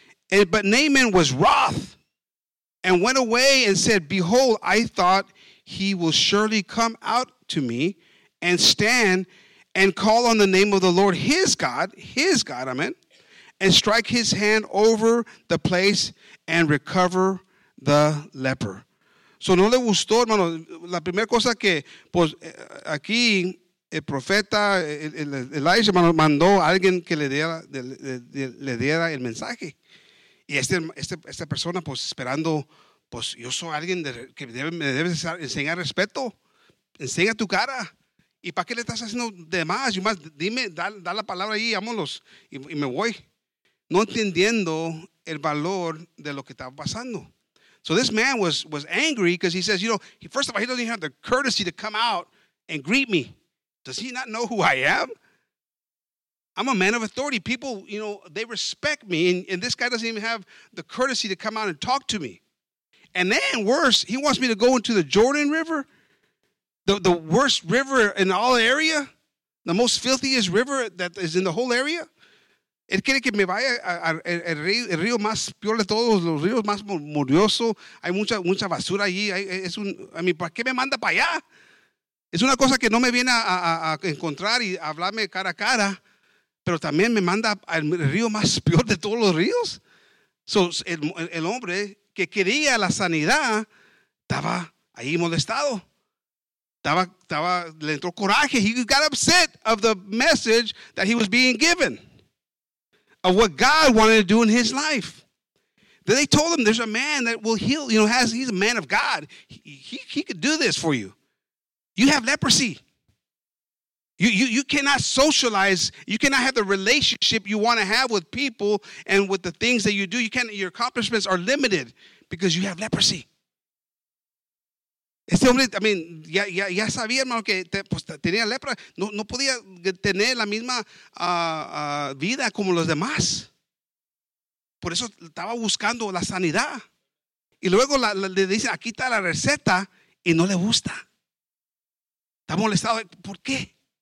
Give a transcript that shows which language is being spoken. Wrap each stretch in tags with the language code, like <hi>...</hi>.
<en>But Naaman was wroth and went away and said, behold, I thought he will surely come out to me and stand and call on the name of the Lord his God, amen, and strike his hand over the place and recover the leper.</en> <es>So no le gustó, hermano. La primera cosa que, pues, aquí el profeta, Elijah, hermano, mandó a alguien que le diera el mensaje. Y esta persona, pues, esperando, pues, yo soy alguien que me debe enseñar respeto. Enseña tu cara. ¿Y para qué le estás haciendo de más? Y más, dime, da la palabra ahí, vámonos, y me voy. No entendiendo el valor de lo que estaba pasando.</es> <en>So this man was angry because he says, you know, first of all, he doesn't even have the courtesy to come out and greet me. Does he not know who I am? I'm a man of authority. People, you know, they respect me. And this guy doesn't even have the courtesy to come out and talk to me. And then worse, he wants me to go into the Jordan River, the worst river in all the area, the most filthiest river that is in the whole area.</en> <es>Él quiere que me vaya al río más peor de todos, los ríos más murioso. Hay mucha basura allí. ¿Para qué me manda para allá? Es una cosa que no me viene a encontrar y hablarme cara a cara, pero también me manda al río más peor de todos los ríos. So, el hombre que quería la sanidad estaba ahí molestado. Le entró coraje.</es> <en>He got upset of the message that he was being given, of what God wanted to do in his life. Then they told him, there's a man that will heal. You know, he's a man of God. He could do this for you. You have leprosy. You cannot socialize. You cannot have the relationship you want to have with people and with the things that you do. Your accomplishments are limited because you have leprosy.</en> <es>Este hombre,</es> <en>I mean,</en> <es>ya sabía, hermano, que tenía lepra. No podía tener la misma vida como los demás. Por eso estaba buscando la sanidad. Y luego le dice, aquí está la receta, y no le gusta. Está molestado. ¿Por qué?</es>